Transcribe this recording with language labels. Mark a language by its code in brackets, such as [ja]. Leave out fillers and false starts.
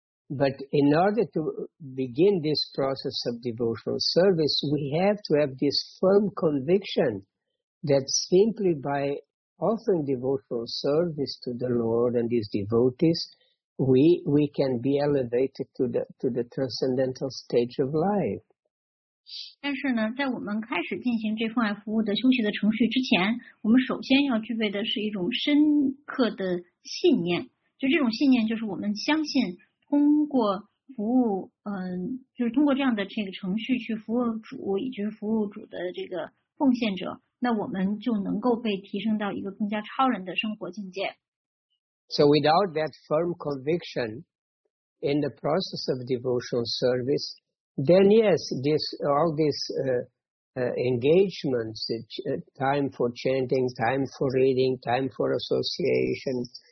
[en] But in order to begin this process of devotional service, we have to have this firm conviction that simply by offering devotional service to the Lord and His devotees, we can be elevated to the transcendental stage of life. [zh] 但是呢，在我们开始进行这份爱服务的休息的程序之前，我们首先要具备的是一种深刻的信念。就这种信念，就是我们相信。通过服务，就是通过这样的这个程序去服务主，以及服务主的这个奉献者，那我们就能够被提升到一个更加超人的生活境界。 [en] So without that firm conviction in the process of devotional service, then yes, all these engagements, time for chanting, time for reading, time for association.